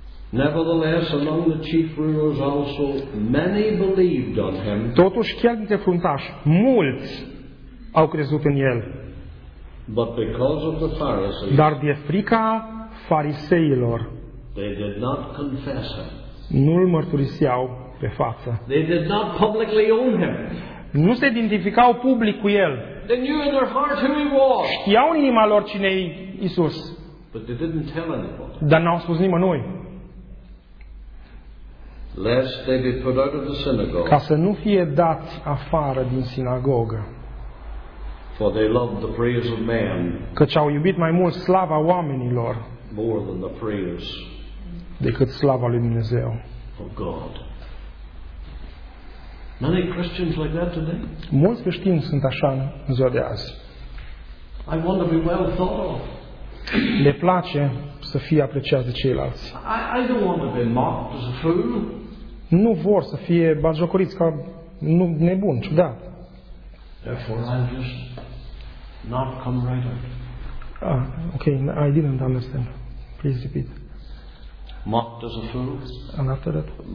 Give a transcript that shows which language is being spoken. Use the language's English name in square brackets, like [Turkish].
[English] Nevertheless, among the chief rulers also many believed on him. [Romanian] Totuși, chiar dintre fruntași, mulți au crezut în el. [English] But because of the Pharisees. [Romanian] Dar de frica fariseilor. [English] They did not confess him. [Romanian] Nu îl mărturiseau pe față. [English] They did not publicly own him. [Romanian] Nu se identificau public cu el. [English] They knew in their heart who he was. [Romanian] Știau în inima lor cine e Iisus. [English] But they didn't tell anybody. [Romanian] Dar n-au spus nimănui. [English] Lest they be put out of the synagogue. [Romanian] Ca să nu fie dați afară din sinagogă. [English] For they loved the praise of man. [Romanian] Căci au iubit mai mult slava oamenilor. [English] More than the praise. [Romanian] Decât slava lui Dumnezeu. [English] Of God. Many Christians like that today. [Romanian] Mulți creștini sunt așa în ziua de azi. [English] I want to be well thought of. [Romanian] Le place să fie apreciați de ceilalți. [English] I don't want to be mocked as a fool. [Romanian] Nu vor să fie batjocoriți ca nu nebun, ciudat. [English] Therefore I'm just not come right out. Ah, okay, I didn't understand. Please repeat. Mocked as a fool. And after that.